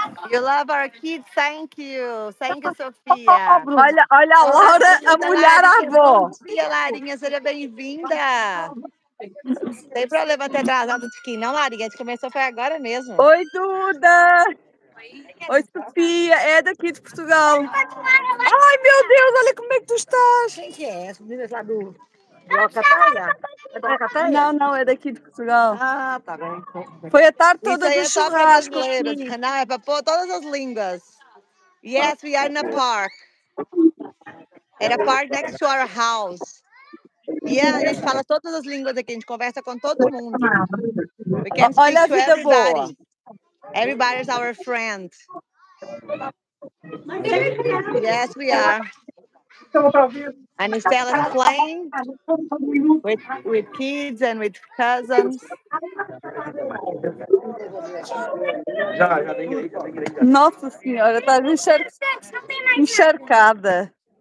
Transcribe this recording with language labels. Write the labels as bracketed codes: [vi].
[en] You love our kids, thank you. Thank you, Sofia. [pt] Olha, olha a Laura, a mulher avó. Sofia, Larinha, seja bem-vinda. Tem problema ter atrasado de skin, não, Larinha? A gente começou foi agora mesmo. Oi, Duda! Oi, Sofia! É daqui de Portugal! Ai, meu Deus! Olha como é que tu estás! Quem que é? As meninas lá do... Alcatéia? Não, não, é daqui de Portugal. Ah, tá bem. Foi a tarde toda de churrasco. Não, é para pôr todas as línguas. [en] Yes, we are in a park. In a park next to our house. [pt] E a gente fala todas as línguas aqui, a gente conversa com todo mundo. Olha a vida boa. [en] Everybody is our friend. Yes, we are. And Estela is playing with kids and with cousins. [pt] Nossa Senhora, está encharcada.